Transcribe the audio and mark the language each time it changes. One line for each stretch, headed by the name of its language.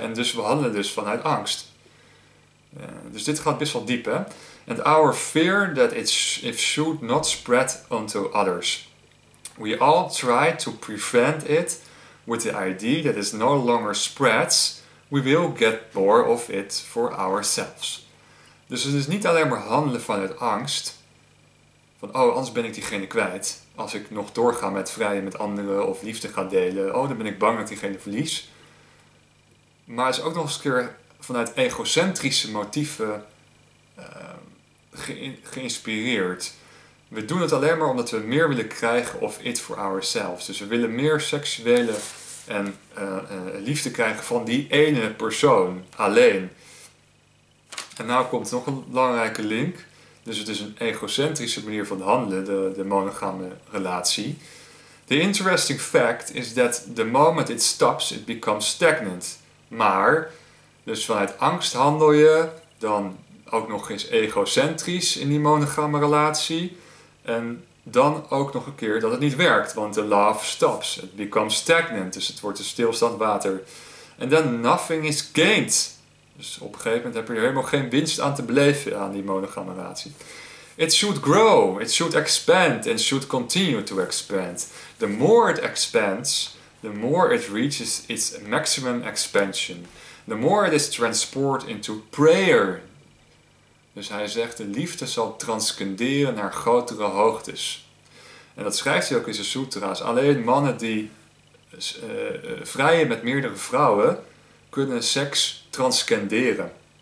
Dutch: En dus we handelen dus vanuit angst. Dus dit gaat best wel diep, hè?
English: And our fear that it should not spread onto others. We all try to prevent it with the idea that it no longer spreads. We will get more of it for ourselves.
Dutch: Dus het is niet alleen maar handelen vanuit angst. Van, oh, anders ben ik diegene kwijt. Als ik nog doorga met vrijen met anderen of liefde ga delen. Oh, dan ben ik bang dat diegene verlies. Maar het is ook nog eens een keer vanuit egocentrische motieven geïnspireerd. We doen het alleen maar omdat we meer willen krijgen
English: of it for ourselves.
Dutch: Dus we willen meer seksuele en liefde krijgen van die ene persoon alleen. En nou komt nog een belangrijke link. Dus het is een egocentrische manier van handelen, de monogame relatie.
English: The interesting fact is that the moment it stops, it becomes stagnant.
Dutch: Maar, dus vanuit angst handel je, dan ook nog eens egocentrisch in die monogame relatie. En dan ook nog een keer dat het niet werkt, want
English: the love stops. It becomes stagnant,
Dutch: dus het wordt een stilstand water.
English: And then nothing is gained.
Dutch: Dus op een gegeven moment heb je er helemaal geen winst aan te beleven aan die monogame relatie.
English: It should grow, it should expand, and should continue to expand. The more it expands, the more it reaches its maximum expansion. The more it is transported into prayer.
Dutch: Dus hij zegt, de liefde zal transcenderen naar grotere hoogtes. En dat schrijft hij ook in zijn sutra's. Alleen mannen die vrijen met meerdere vrouwen, kunnen seks transcenderen.